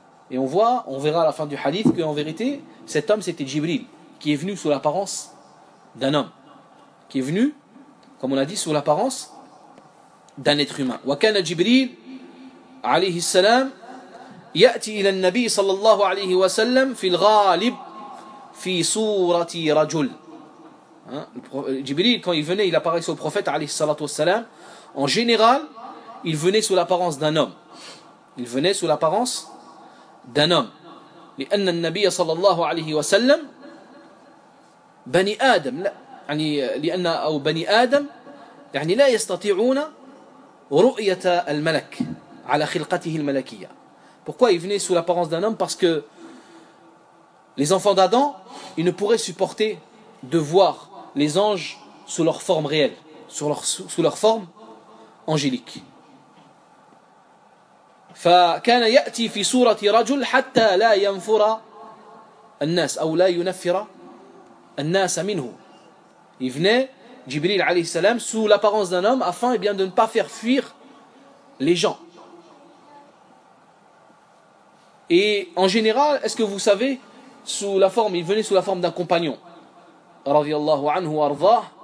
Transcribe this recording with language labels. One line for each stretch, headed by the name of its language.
French: Et on voit, on verra à la fin du hadith qu'en vérité, cet homme c'était Jibril qui est venu sous l'apparence d'un homme. Qui est venu, comme on a dit, sous l'apparence d'un être humain.
Arabic: وكان جبريل عليه السلام يأتي إلى النبي صلى الله عليه وسلم في الغالب في صورة رجل.
French: جبريل quand il venait, il apparaissait au prophète
Arabic: عليه الصلاة والسلام.
French: En général, il venait sous l'apparence d'un homme. Il venait sous l'apparence d'un homme.
Arabic: لأن النبي صلى الله عليه وسلم بني آدم يعني لأن أو بني آدم يعني لا يستطيعون رؤية الملك على خلقته الملكية.
French: Pourquoi il venait sous l'apparence d'un homme? Parce que les enfants d'Adam, ils ne pourraient supporter de voir les anges sous leur forme réelle, sous leur forme angélique.
Arabic: فكان يأتي في صورة رجل حتى لا ينفر الناس أو لا ينفر الناس منه.
French: Il venait, Jibril
Arabic: عليه السلام,
French: sous l'apparence d'un homme afin eh bien, de ne pas faire fuir les gens. Et en général, est-ce que vous savez sous la forme, il venait sous la forme d'un compagnon.
Arabic: Radiallahu anhu arda.